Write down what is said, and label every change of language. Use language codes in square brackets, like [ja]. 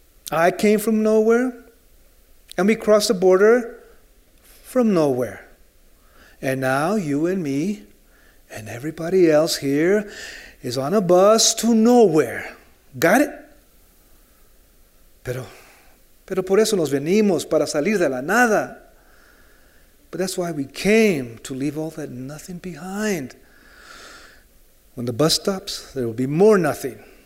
[en] I came from nowhere, and we crossed the border from nowhere. And now you and me and everybody else here is on a bus to nowhere. Got it? [es] Pero por eso nos venimos, para salir de la nada. [en] But that's why we came, to leave all that nothing behind. When the bus stops, there will be more nothing.